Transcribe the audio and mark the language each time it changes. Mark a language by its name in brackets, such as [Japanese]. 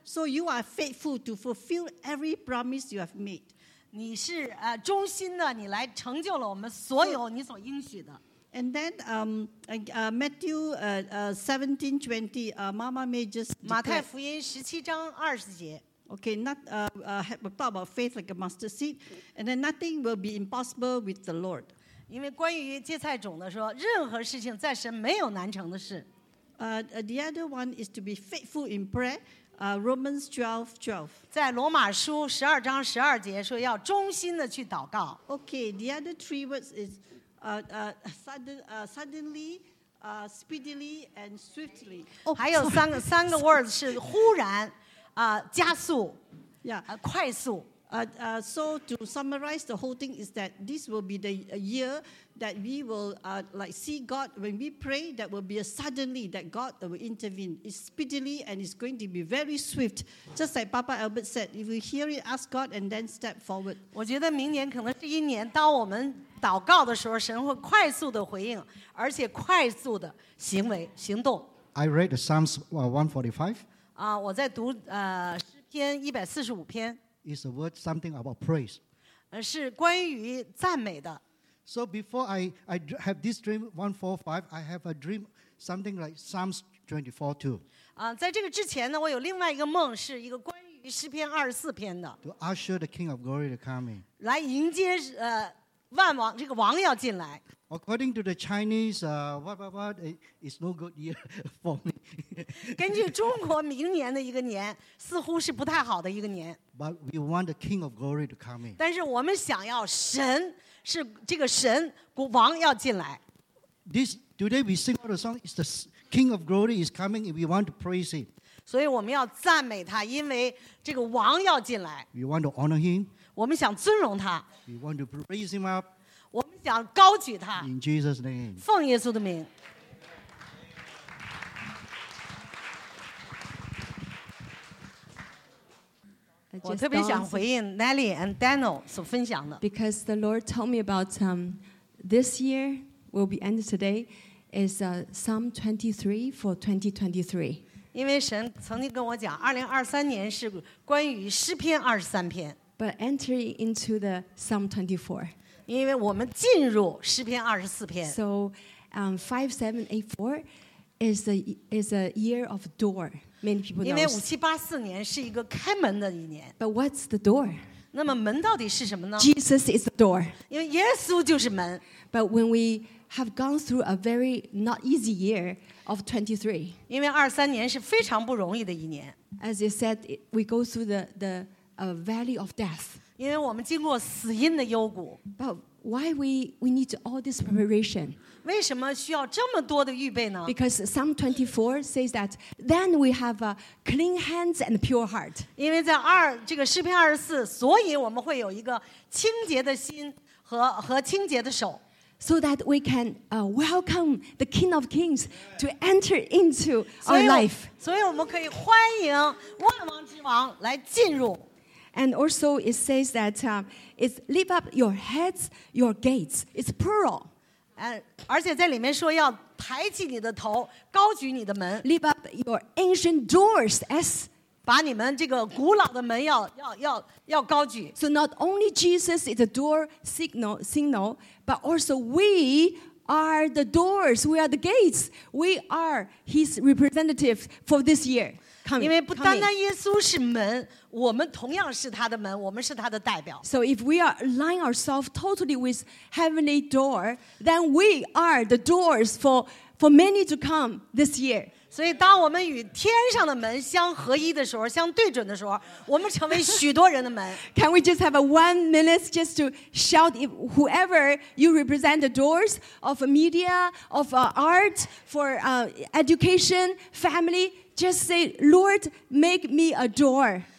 [English] So you are faithful to fulfill every promise you have made. [Chinese] 你是, 忠心的你来成就了我们所有你所应许的. [English] And then Matthew 17:20, Mama may just declare. [Chinese] 马太福音17章20节. [English] Okay, we'll talk about faith like a mustard seed. And then nothing will be impossible with the Lord. [Chinese] 因为关于芥菜种的说, 任何事情在神没有难成的事. [English] The other one is to be faithful in prayer. Romans 12:12. [Chinese] 在罗马书12章12节说要忠心的去祷告. [English] Okay, the other three words is suddenly, speedily, and swiftly. [Chinese] Oh, 还有三个 words 是忽然, 加速, [English] yeah, [Chinese] 快速. [English] So to summarize the whole thing is that this will be the year that we will see God when we pray. That will be a suddenly that God will intervene. It's speedily and it's going to be very swift. Just like Papa Albert said, if we hear it, ask God and then step forward. [Chinese] 我觉得明年可能是一年，当我们祷告的时候，神会快速的回应，而且快速的行为行动。 [English] I read the Psalms 145. [Chinese] 我在读诗篇145篇。 [English] Is a word something about praise. [Chinese] 是关于赞美的。 [English] So before I have this dream 145, I have a dream something like Psalms 24 too. [Chinese] 在这个之前呢，我有另外一个梦，是一个关于诗篇24篇的。 [English] To usher the King of Glory to come in. [Chinese] 来迎接万王，这个王要进来。 [English] According to the Chinese, it's no good year for me. [Chinese] 根据中国明年的一个年，似乎是不太好的一个年。 [English] But we want the King of Glory to come in. [Chinese] 但是我们想要神，是这个神，王要进来。 [English] This today we sing out a song. It's the King of Glory is coming, and we want to praise him. [Chinese] 所以我们要赞美他，因为这个王要进来。 [English] We want to honor him. [Chinese] 我们想尊荣他。 [English] We want to praise him up. [Chinese] 我们想高举他。 [English] In Jesus' name. [Chinese] 奉耶稣的名。我特别想回应Nelly and Daniel所分享的。 [English] Because the Lord told me about this year will be ended today is Psalm 23 for 2023. [Chinese] 因为神曾经跟我讲，2023年是关于诗篇23篇。 [English] But entering into the Psalm 24. [Chinese] 因为我们进入诗篇24篇。 [English] So 5, 7, 8, 4 is a year of door. Many people know. [Chinese] 因为5784年是一个开门的一年。 [English] But what's the door? [Chinese] 那么门到底是什么呢? [English] Jesus is the door. [Chinese] 因为耶稣就是门。 [English] But when we have gone through a very not easy year of 23. [Chinese] 因为23年是非常不容易的一年。 [English] As you said, we go through the valley of death. [Chinese] 因为我们经过死荫的幽谷。 [English] But why we need all this preparation? Because Psalm 24 says that then we have a clean hands and pure heart. [Chinese] 因为在这个诗篇24，所以我们会有一个清洁的心和清洁的手。 [English] So that we can welcome the King of Kings to enter into our life. [Chinese] 所以我们可以欢迎万王之王来进入。 [English] And also it says that it's lift up your heads, your gates. It's plural. [Chinese] 而且在里面说要抬起你的头，高举你的门。 [English] Lift up your ancient doors as [Chinese] 把你们这个古老的门要高举。 [English] So not only Jesus is the door signal, but also we are the doors, we are the gates, we are His representatives for this year. Coming, [Chinese] 因为不单单耶稣是门，我们同样是他的门，我们是他的代表。 [English] So if we are align ourselves totally with heavenly door, then we are the doors for many to come this year. [Chinese] 所以当我们与天上的门相合一的时候，相对准的时候，我们成为许多人的门。 [English] Can we just have a 1 minute just to shout if whoever you represent the doors of media, of art, for education, family, just say, Lord, make me a door.